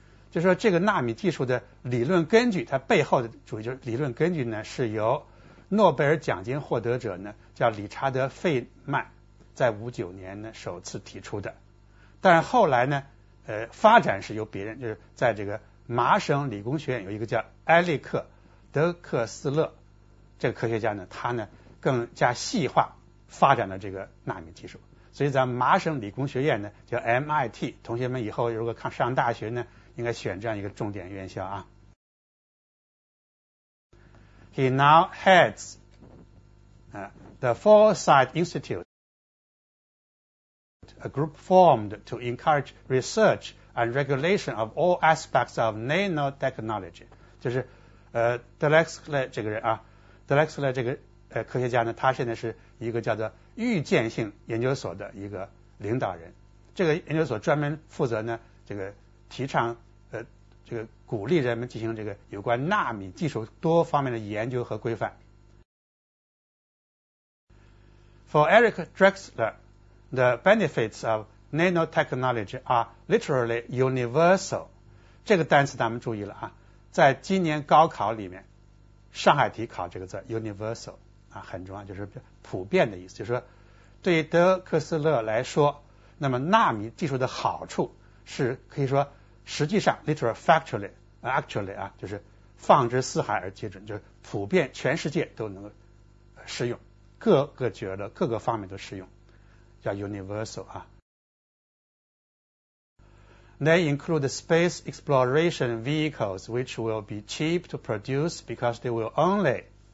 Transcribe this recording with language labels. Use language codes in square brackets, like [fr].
[zh] 就是说这个纳米技术的理论根据它背后的主要理论根据呢是由诺贝尔奖金获得者呢叫理查德费曼在59年呢首次提出的但是后来呢发展是由别人就是在这个麻省理工学院有一个叫埃利克德克斯勒这个科学家呢他呢更加细化发展了这个纳米技术所以咱们麻省理工学院呢叫 MIT 同学们以后如果看上大学呢应该选这样一个重点院校啊。 [en] He now heads the Foresight Institute, a group formed to encourage research and regulation of all aspects of nanotechnology. [zh] 就是Drexler 这个人啊 ，Drexler 这个科学家呢，他现在是一个叫做预见性研究所的一个领导人。这个研究所专门负责呢，这个提倡。这个鼓励人们进行这个有关纳米技术多方面的研究和规范。 [en] For Eric Drexler, the benefits of nanotechnology are literally universal. [zh] 这个单词咱们注意了啊，在今年高考里面，上海题考这个字 universal 啊很重要，就是普遍的意思。就是说，对德克斯勒来说，那么纳米技术的好处是可以说。实际上 [en] literally factually actually [zh] 啊就是放之四海而皆准就是普遍全世界都能适用各个角的各个方面都适用叫 universal 啊 [en] They include space exploration vehicles which will be cheap to produce because they will only